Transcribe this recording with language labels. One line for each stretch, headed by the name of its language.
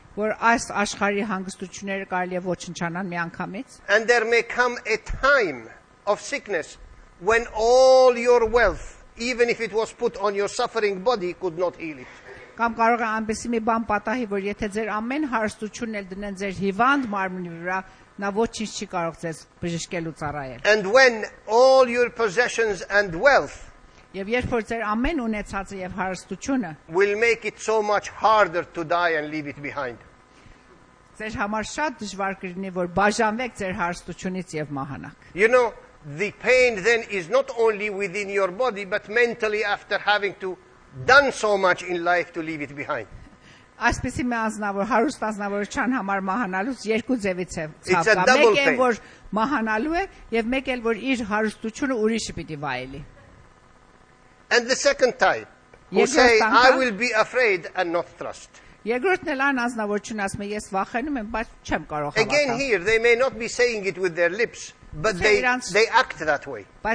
Armenian: որ այս աշխարհի հանգստությունները կարելի է ոչնչանան միանգամից,
English: and there may come a time of sickness when all your wealth, even if it was put on your suffering body, could not heal it.
Armenian: Կամ կարող է ամբեսի մի բան պատահի, որ եթե ձեր ամեն հարստությունն էլ դնեն ձեր հիվանդ մարմնի վրա, նա ոչինչ չի կարող ձեզ բժշկել ու ծառայել.
English: And when all your possessions and wealth,
Armenian: եվ երբ որ ձեր ամեն ունեցածը եւ հարստությունը,
English: will make it so much harder to die and leave it behind.
Armenian: Ձեր համար շատ դժվար կլինի, որ բաժանվեք ձեր հարստությունից եւ մահանաք.
English: You know, the pain then is not only within your body, but mentally after having to done so much in life to leave it behind.
Armenian: Այսպես մի անձնավոր հարուստ անձնավորության համար մահանալուց երկու ձևից է ցավը. Մեկ է, որ մահանալու է, եւ մեկ էլ, որ իր հարստությունը ուրիշը պիտի վայելի։
English: And the second type, who say, I will be afraid and not trust. Again here, they may not be saying it with their lips, but they act that way.